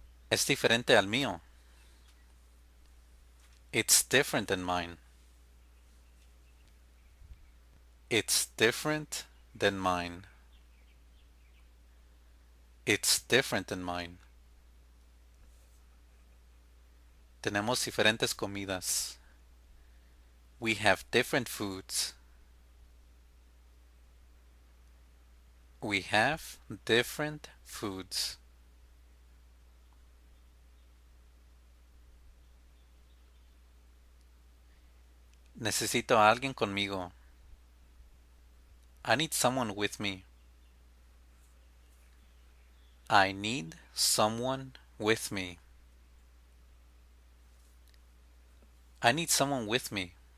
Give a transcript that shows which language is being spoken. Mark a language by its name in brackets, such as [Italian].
[Spanish] Es diferente al mío. [English] It's different than mine. It's different than mine. It's different than mine. [Spanish] Tenemos diferentes comidas. [English] We have different foods. We have different foods. [Spanish] Necesito a alguien conmigo. [English] I need someone with me. I need someone with me. I need someone with me.